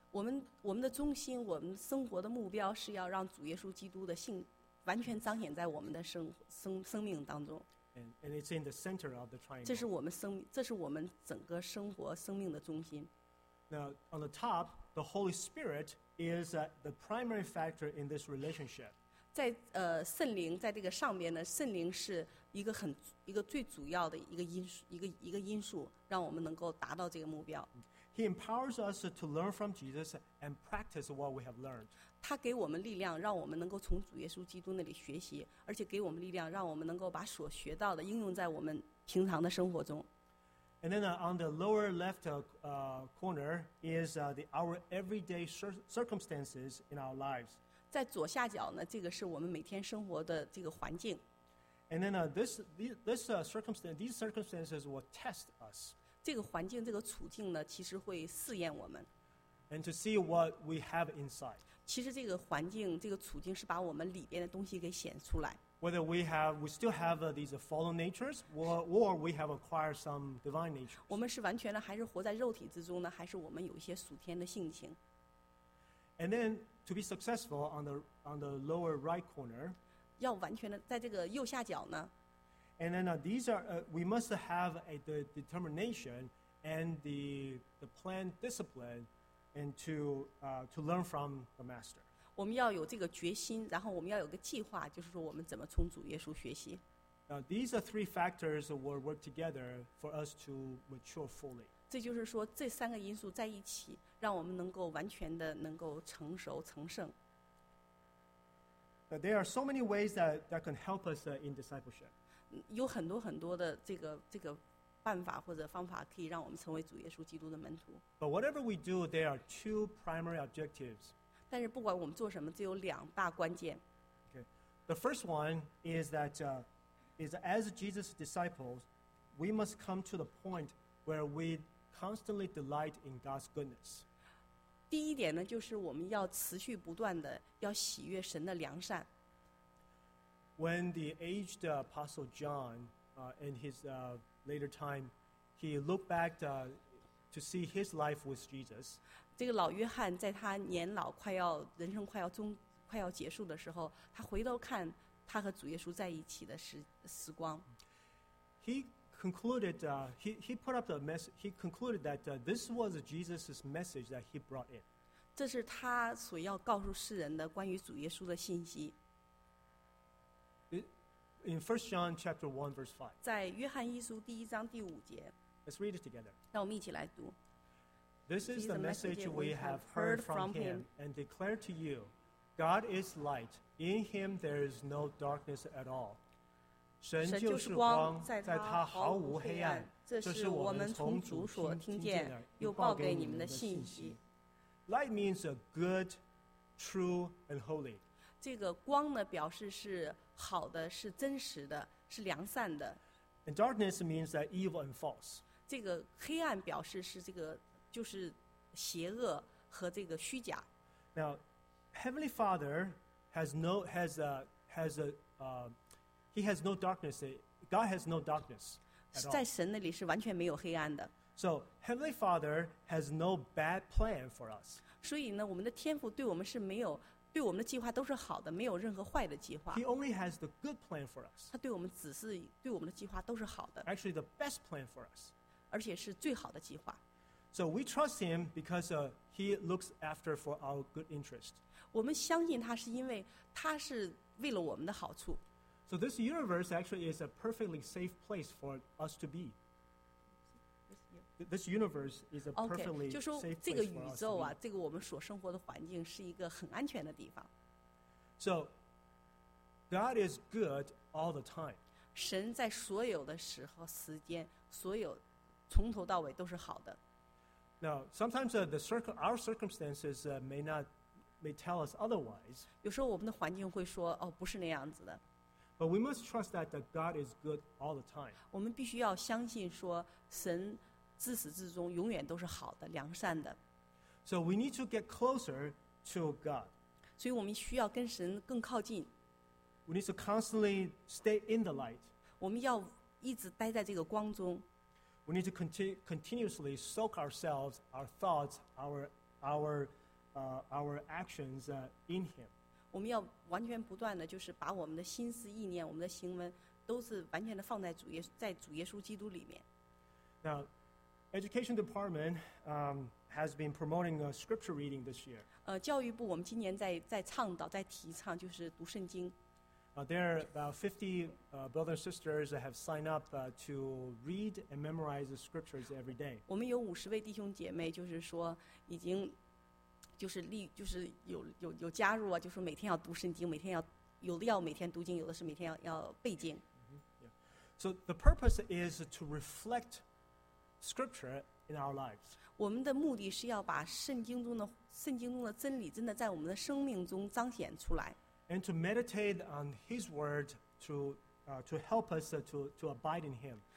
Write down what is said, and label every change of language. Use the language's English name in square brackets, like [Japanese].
[Chinese] 我们的中心，我们生活的目标是要让主耶稣基督的性完全彰显在我们的生命当中。 [English] And it's in the center of the triangle. [Chinese] 这是我们整个生活生命的中心。 [English] Now, on the top, the Holy Spirit is the primary factor in this relationship. [Chinese] 在圣灵在这个上面呢，圣灵是一个最主要的一个因素，让我们能够达到这个目标。 [English] He empowers us to learn from Jesus and practice what we have learned. [Chinese] 他给我们力量，让我们能够从主耶稣基督那里学习，而且给我们力量，让我们能够把所学到的应用在我们平常的生活中。 [English] And then on the lower left corner is our everyday circumstances in our lives. [Chinese] 在左下角呢，这个是我们每天生活的这个环境。 [English] And then these circumstances will test us. [Chinese] 这个环境，这个处境呢，其实会试验我们。 [English] And to see what we have inside. [Chinese] 其实这个环境，这个处境是把我们里边的东西给显出来。 [English] Whether we still have these fallen natures, or we have acquired some divine nature. [Chinese] 我们是完全的还是活在肉体之中呢，还是我们有一些属天的性情？ [English] And then to be successful on the lower right corner. [Chinese] 要完全的在这个右下角呢。 [English] And then we must have the determination and the plan discipline, and to learn from the master. [Chinese] 我们要有这个决心，然后我们要有个计划，就是说我们怎么从主耶稣学习。 [English] These are three factors that will work together for us to mature fully. [Chinese] 这就是说这三个因素在一起，让我们能够完全的能够成熟成圣。 [English] There are so many ways that can help us in discipleship. [Chinese] 有很多很多的这个办法或者方法可以让我们成为主耶稣基督的门徒。 [English] But whatever we do, there are two primary objectives. [Chinese] 但是不管我们做什么，只有两大关键。 Okay. [English] The first one is that as Jesus' disciples, we must come to the point where we constantly delight in God's goodness. [Chinese] 第一点呢，就是我们要持续不断的要喜悦神的良善。 [English] When the aged apostle John, in his later time, he looked back to see his life with Jesus. [Chinese] 这个老约翰在他年老快要人生快要结束的时候，他回头看他和主耶稣在一起的时光。 [English] He concluded, he concluded that this was Jesus' message that he brought in. [Chinese] 这是他所要告诉世人的关于主耶稣的信息。 [English] In 1 John chapter 1 verse 5. [Chinese] 在约翰一书第一章第五节。 [English] Let's read it together. [Chinese] 让我们一起来读。 [English] This is the message we have heard from him and declare to you. God is light. In him there is no darkness at all. [Chinese] 神就是光，在他毫无黑暗。这是我们从主所听见，又报给你们的信息。 [English] Light means a good, true, and holy. [Chinese] 这个光呢，表示是好的，是真实的，是良善的。 [English] And darkness means that evil and false. [Chinese] 这个黑暗表示是这个就是邪恶和这个虚假。 [English] Now, Heavenly Father has no darkness. God has no darkness. [Chinese] 在神那里是完全没有黑暗的。 [English] So Heavenly Father has no bad plan for us. [Chinese] 所以呢，我们的天父对我们是没有，对我们的计划都是好的，没有任何坏的计划。 [English] He only has the good plan for us. [Chinese] 他对我们只是对我们的计划都是好的。 [English] Actually, the best plan for us. [Chinese] 而且是最好的计划。 [English] So we trust him because he looks after for our good interest. [Chinese] 我们相信他是因为他是为了我们的好处。 [English] So this universe actually is a perfectly safe place for us to be. This universe is a perfectly safe place for us to be. [Chinese] 就说这个宇宙啊，这个我们所生活的环境是一个很安全的地方。 [English] So God is good all the time. [Chinese] 神在所有的时候、时间、所有从头到尾都是好的。 [English] Now, sometimes our circumstances may tell us otherwise. [Chinese] 有时候我们的环境会说，哦，不是那样子的。 [English] But we must trust that God is good all the time. [Chinese] 我们必须要相信说，神自始至终永远都是好的、良善的。 [English] So we need to get closer to God. [Chinese] 所以我们需要跟神更靠近。 [English] We need to constantly stay in the light. [Chinese] 我们要一直待在这个光中。 [English] We need to continuously soak ourselves, our thoughts, our actions in Him. [Chinese] 我们要完全不断的，就是把我们的心思意念、我们的行为，都是完全的放在主耶稣基督里面。 [English] Now, Education Department has been promoting a scripture reading this year. [Chinese] 教育部我们今年在倡导、在提倡，就是读圣经。 [English] There are about 50 brothers and sisters that have signed up to read and memorize the scriptures every day. [Chinese] 我们有五十位弟兄姐妹，就是说已经就是有加入啊，就是每天要读圣经，每天要有的要每天读经，有的是每天要背经。 Mm-hmm. Yeah. [English] So the purpose is to reflect scripture in our lives. [Chinese] 我们的目的是要把圣经中的真理真的在我们的生命中彰显出来。 [English] And to meditate on His word to help us to abide in Him.